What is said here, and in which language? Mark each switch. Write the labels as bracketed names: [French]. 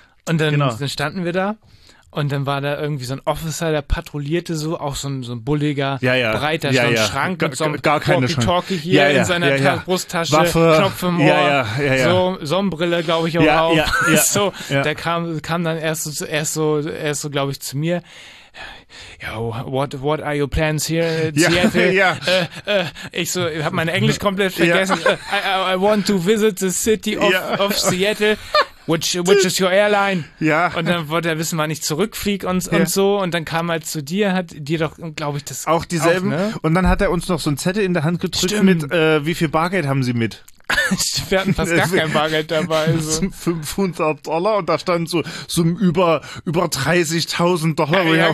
[German] Und dann standen wir da. Und dann war da irgendwie so ein Officer, der patrouillierte so, auch so ein bulliger, breiter Schrank mit so einem Walkie-Talkie hier in seiner Brusttasche, Waffe, Knopf im Ohr, so Sonnenbrille, glaube ich, auch auf. Der kam dann erst so, glaube ich, zu mir. [English] Yo, what are your plans here in Seattle? [German] Ich so, ich habe mein Englisch komplett vergessen. [English] I want to visit the city of Seattle. Which is your airline? [German] Ja. Und dann wollte er wissen, wann ich zurückflieg und so. Und dann kam er zu dir, hat dir doch, glaube ich, das auch dieselben. Auch, ne? Und dann hat er uns noch so einen Zettel in der Hand gedrückt mit, wie viel Bargeld haben Sie mit? Wir hatten fast gar kein Bargeld dabei. So. $500 und da stand so über 30.000 Dollar, wo ich auch